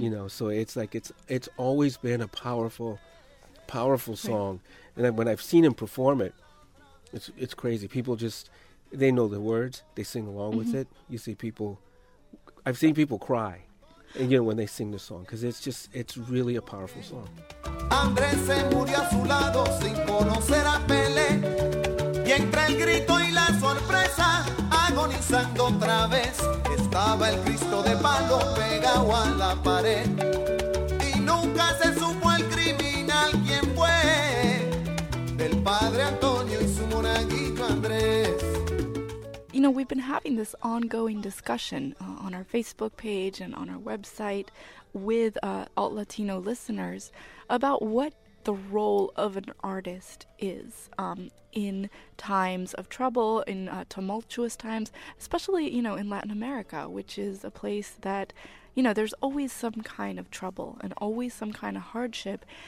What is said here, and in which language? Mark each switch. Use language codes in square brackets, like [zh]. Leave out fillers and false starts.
[en] you know, so it's like it's always been a powerful, powerful song. Right. And then when I've seen him perform it, it's crazy. People just, they know the words. They sing along mm-hmm. with it. You see people, I've seen people cry, and, you know, when they sing the song, because it's just, it's really a powerful song. [es] Andrés se murió a su lado sin conocer a Pelé. Y entre el grito y la sorpresa, agonizando otra vez, estaba el Cristo de palo pegado a la pared. Y nunca se supo el criminal quién fue, del padre Antonio y su monaguito Andrés. [en] You know, we've been having this ongoing discussion on our Facebook page and on our website with alt Latino listeners about what the role of an artist is in times of trouble, in tumultuous times, especially, you know, in Latin America, which is a place that, you know, there's always some kind of trouble and always some kind of hardship.